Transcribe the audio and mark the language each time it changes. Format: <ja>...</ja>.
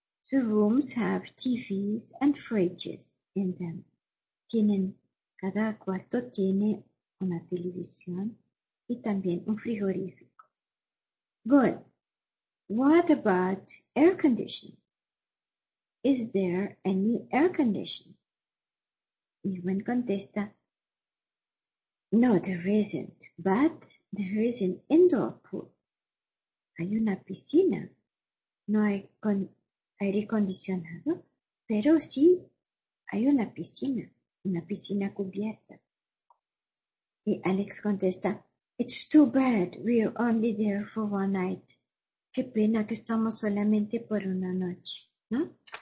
<en>The rooms have TVs and fridges in them.</en> <es>Tienen, cada cuarto tiene una televisión y también un frigorífico.</es> <en>Good. What about air conditioning? Is there any air conditioning? Ewan contesta, no, there isn't, but there is an indoor pool.</en> <es>Hay una piscina. No hay aire acondicionado, pero sí hay una piscina cubierta. Y Alex contesta,</es> <en>It's too bad, we're only there for one night.</en> <es>Qué pena que estamos solamente por una noche, ¿no?</es>